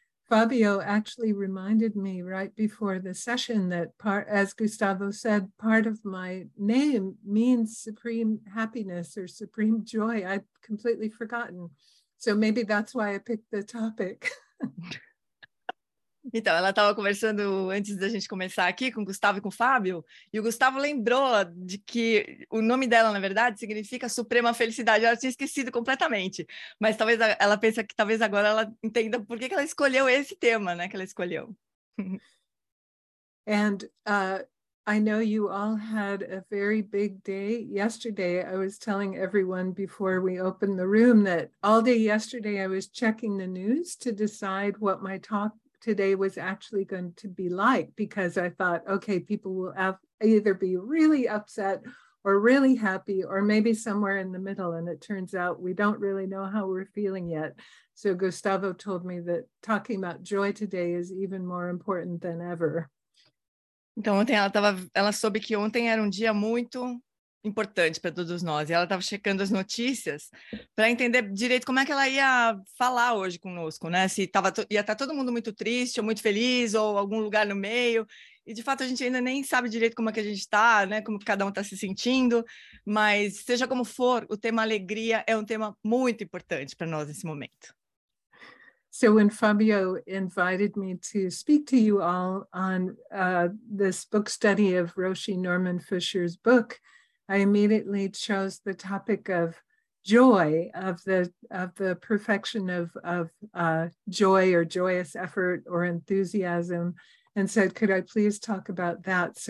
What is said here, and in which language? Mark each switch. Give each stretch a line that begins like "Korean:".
English: Fabio actually reminded me right before the session that part, as Gustavo said, part of my name means supreme happiness or supreme joy. I'd completely forgotten. So maybe that's why I picked the topic.
Portuguese: Então, ela estava conversando antes da gente começar aqui com o Gustavo e com o Fábio, e o Gustavo lembrou de que o nome dela, na verdade, significa Suprema Felicidade. Ela tinha esquecido completamente, mas talvez ela pense que talvez agora ela entenda por que que ela escolheu esse tema, né, que ela escolheu.
English: And I know you all had a very big day yesterday. I was telling everyone before we opened the room that all day yesterday I was checking the news to decide what my talk today was actually going to be like because I thought, okay, people will have either be really upset or really happy or maybe somewhere in the middle. And it turns out we don't really know how we're feeling yet. So Gustavo told me that talking about joy today is even more important than ever.
Portuguese: Então, ontem ela soube que ontem era um dia muito importante para todos nós, e ela estava checando as notícias para entender direito como é que ela ia falar hoje conosco, né? Se ia estar todo mundo muito triste, ou muito feliz, ou algum lugar no meio. E de fato a gente ainda nem sabe direito como é que a gente está, né? Como cada um está se sentindo, mas seja como for, o tema alegria é um tema muito importante para nós nesse momento.
English: So when Fabio invited me to speak to you all on this book study of Roshi Norman Fisher's book, I immediately chose the topic of joy, of the perfection of joy or joyous effort or enthusiasm, and said, could I please talk about that?